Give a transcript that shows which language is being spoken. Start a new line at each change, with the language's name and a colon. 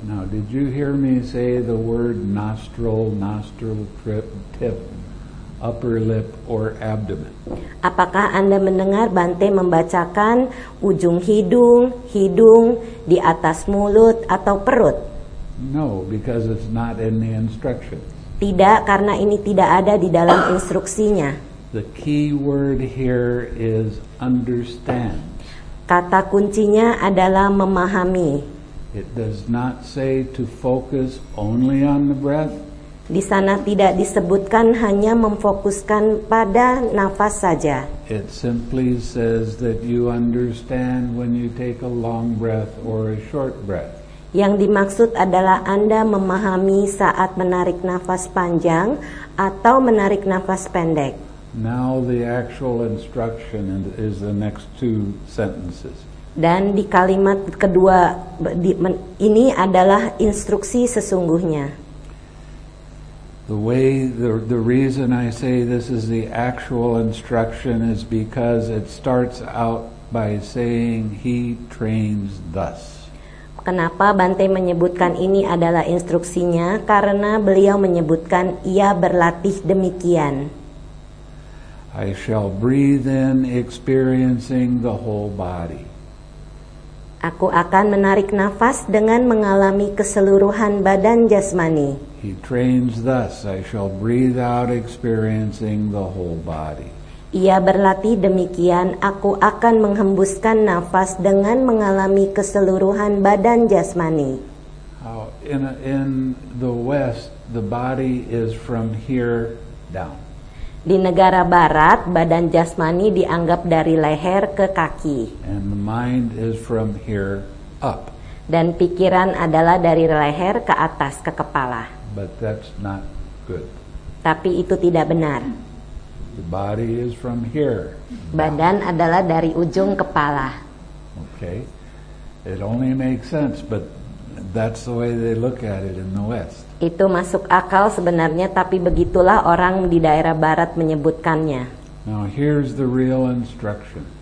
English: Now, did you hear me say the word nostril trip, tip, upper lip, or abdomen?
Indonesian: Apakah Anda mendengar Bante membacakan ujung hidung, hidung, di atas mulut, atau perut?
English: No, because it's not in the instructions.
Indonesian: Tidak, karena ini tidak ada di dalam instruksinya.
English: The key word here is understand.
Indonesian: Kata kuncinya adalah memahami.
English: It does not say to focus only on the breath.
Indonesian: Di sana tidak disebutkan hanya memfokuskan pada nafas saja.
English: It simply says that you understand when you take a long breath or a short breath.
Indonesian: Yang dimaksud adalah Anda memahami saat menarik nafas panjang atau menarik nafas pendek.
English: Now the actual instruction is the next two sentences.
Indonesian: Dan di kalimat kedua ini adalah instruksi sesungguhnya.
English: The reason I say this is the actual instruction is because it starts out by saying he trains thus.
Indonesian: Kenapa Bante menyebutkan ini adalah instruksinya? Karena beliau menyebutkan ia berlatih demikian.
English: I shall breathe in experiencing the whole body.
Indonesian: Aku akan menarik nafas dengan mengalami keseluruhan badan jasmani.
English: He trains thus, I shall breathe out experiencing the whole body.
Indonesian: Ia berlatih demikian, aku akan menghembuskan nafas dengan mengalami keseluruhan badan jasmani.
English: In the West, the body is from here down.
Indonesian: Di negara barat, badan jasmani dianggap dari leher ke kaki.
English: And the mind is from here up.
Indonesian: Dan pikiran adalah dari leher ke atas, ke kepala.
English: But that's not good.
Indonesian: Tapi itu tidak benar.
English: The body is from here.
Indonesian: Badan adalah dari ujung kepala.
English: Okay. It only makes sense, but that's the way they look at it in the West.
Indonesian: Itu masuk akal sebenarnya, tapi begitulah orang di daerah barat menyebutkannya.
English: Now here's the real instruction.